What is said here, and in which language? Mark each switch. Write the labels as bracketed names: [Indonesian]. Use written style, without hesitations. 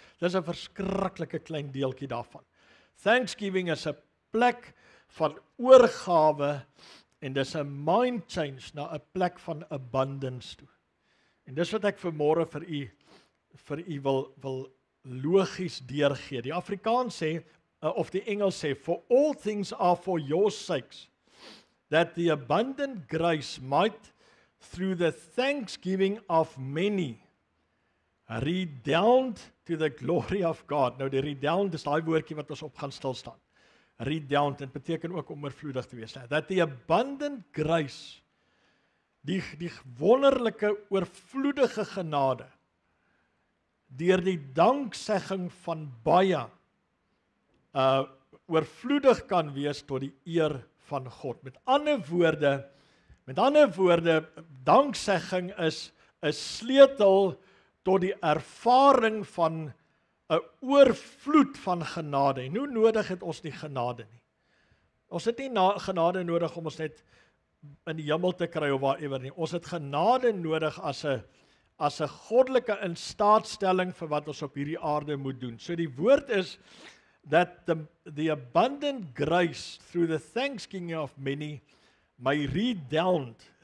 [Afrikaans] Dit is 'n verskriklike klein deeltjie daarvan. Thanksgiving is 'n plek van oorgawe, en dit is 'n mind change na 'n plek van abundance toe. En dit is wat ek vanmorgen vir u wil logies deurgee. Die Afrikaans sê, of die Engels sê, [English] for all things are for your sakes, that the abundant grace might through the thanksgiving of many, redound to the glory of God. [Afrikaans] Nou, die redound is die woordkie wat ons op gaan stilstaan. Redound, dit beteken ook om oorvloedig te wees. [English] That the abundant grace, [Afrikaans] die wonderlike, oorvloedige genade, deur die danksegging van baie oorvloedig kan wees tot die eer van God. Met ander woorde, danksegging is 'n sleutel tot die ervaring van 'n oorvloed van genade. En hoe nodig het ons die genade nie? Ons het nie genade nodig om ons net in die hemel te kry of waar ewer nie. Ons het genade nodig as 'n goddelike instaatstelling vir wat ons op hierdie aarde moet doen. So die woord is [English] that the abundant grace through the thanksgiving of many may redound.